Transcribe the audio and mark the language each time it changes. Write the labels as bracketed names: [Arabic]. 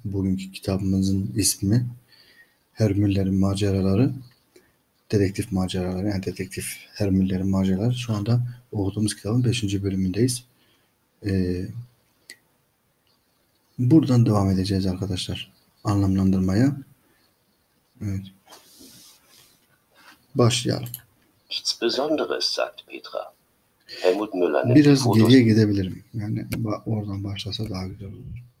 [Turkish] Bugünkü kitabımızın ismi Hermüller'in Maceraları, Dedektif Maceraları, yani Dedektif Hermüller'in Maceraları. Şu anda okuduğumuz kitabın 5. bölümündeyiz. Buradan devam edeceğiz arkadaşlar anlamlandırmaya. Evet. Başlayalım. [German] Nichts Besonderes, sagt Petra. [Turkish] Helmut Müller'in biraz geriye gidebilirim. Yani oradan başlasa daha güzel olur.